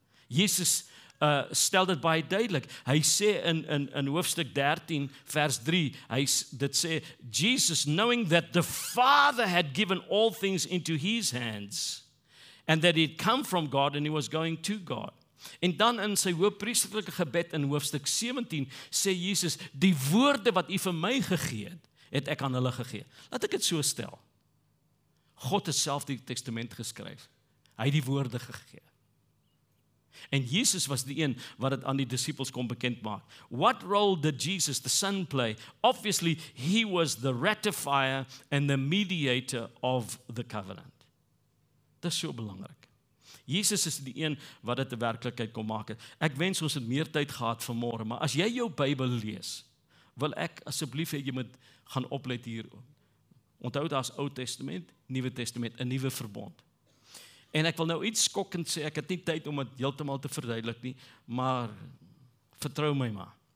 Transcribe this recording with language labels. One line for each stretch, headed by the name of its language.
Afrikaans: Jesus stel dit baie duidelik. Hy sê in hoofstuk 13 vers 3, dit sê,
English: Jesus, knowing that the Father had given all things into his hands, and that he had come from God and he was going to God.
Afrikaans: En dan in sy hoëpriesterlike gebed in hoofstuk 17 sê Jesus, die woorde wat u vir my gegee het, het ek aan hulle gegee. Laat ek het so stel. God het self die testament geskryf. Hy het die woorde gegee. En Jesus was die een wat het aan die disciples kon bekend maak.
English: What role did Jesus, the Son, play? Obviously, he was the ratifier and the mediator of the covenant.
Afrikaans: Dit is so belangrik. Jesus is die een wat dit 'n werklikheid kon maak. Ek wens ons het meer tyd gehad vanmôre, maar as jy jou Bybel lees, wil ek asseblief hê jy moet gaan oplet hier. Onthou, daar's Ou Testament, Nuwe Testament, 'n nuwe verbond. En ek wil nou iets skokkend sê, ek het nie tyd om dit heeltemal te verduidelik nie, maar vertrou my maar.